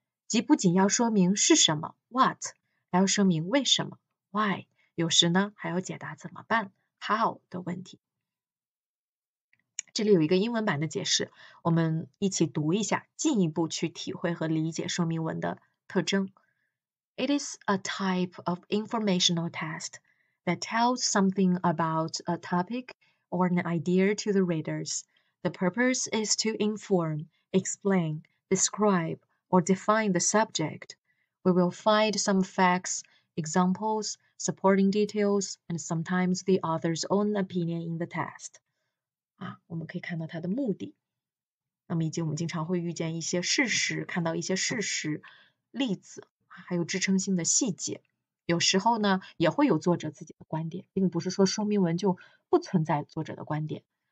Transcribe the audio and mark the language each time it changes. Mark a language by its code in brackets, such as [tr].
[zh] 即不仅要说明是什么 what， 还要说明为什么 why， 有时呢还要解答怎么办 how 的问题。这里有一个英文版的解释，我们一起读一下，进一步去体会和理解说明文的特征。 [en] It is a type of informational test that tells something about a topic or an idea to the readers. The purpose is to inform, explain, describeor define the subject. We will find some facts, examples, supporting details, and sometimes the author's own opinion in the test. [zh] 啊，我们可以看到它的目的。那么以及我们经常会遇见一些事实，看到一些事实、例子，还有支撑性的细节。有时候呢，也会有作者自己的观点，并不是说说明文就不存在作者的观点。